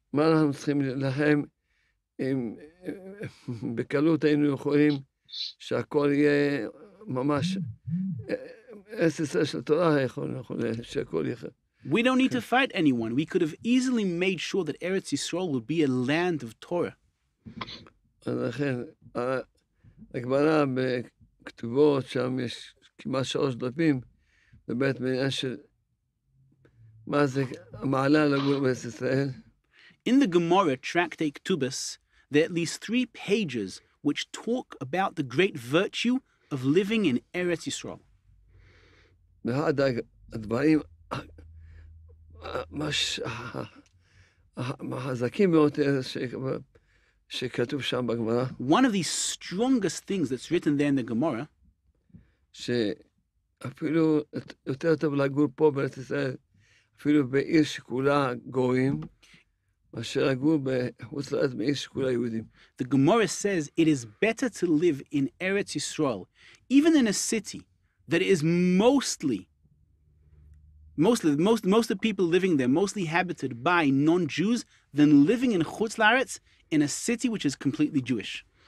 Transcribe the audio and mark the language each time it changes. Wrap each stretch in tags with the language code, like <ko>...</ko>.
<en>We don't need to fight anyone. We could have easily made sure that Eretz Yisrael would be a land of Torah.</en> <he>ולכן, הגמרא בכתובות, שם יש כמעט 3 דפים, בבית מעניין של מה זה המעלה לגור בארץ ישראל.</he> <en>In the Gemara, Tractate Ketubos, there are at least 3 pages which talk about the great virtue of living in Eretz Yisrael.</en> <he>ואחד הדברים, מה החזקים ביותר שכבר, שכתוב שם בגמרא.</he> <en>One of the strongest things that's written there in the Gemara.</en> <he>שאפילו יותר טוב לגור פה בארץ ישראל, אפילו בעיר שכולה גויים, מאשר לגור בחוץ לארץ בעיר שכולה יהודים.</he> <en>The Gemara says it is better to live in Eretz Yisrael, even in a city that is mostly the people living there, mostly inhabited by non-Jews, than living in Chutz Laretz, in a city which is completely Jewish.</en>